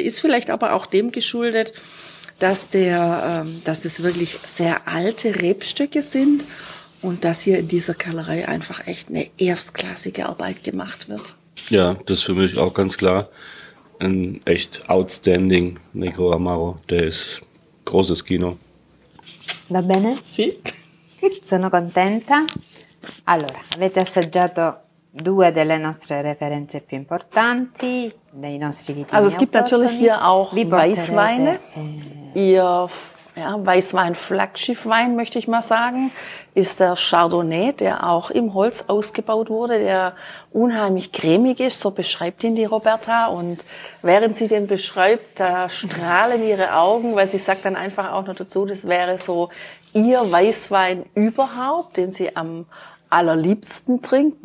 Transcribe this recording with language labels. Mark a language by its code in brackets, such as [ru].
[de] Ist vielleicht aber auch dem geschuldet, dass es wirklich sehr alte Rebstöcke sind und dass hier in dieser Kellerei einfach echt eine erstklassige Arbeit gemacht wird. Ja, das ist für mich auch ganz klar ein echt outstanding Negro Amaro, der ist großes Kino. [it] Va bene? Sì. Sono contenta. Allora, avete assaggiato due delle nostre referenze più importanti dei nostri vitigni. [de] Also es gibt natürlich hier auch Weißweine. Ihr Weißwein Flaggschiffwein, möchte ich mal sagen, ist der Chardonnay, der auch im Holz ausgebaut wurde, der unheimlich cremig ist, so beschreibt ihn die Roberta. Und während sie den beschreibt, da strahlen ihre Augen, weil sie sagt dann einfach auch noch dazu, das wäre so ihr Weißwein überhaupt, den sie am allerliebsten trinkt.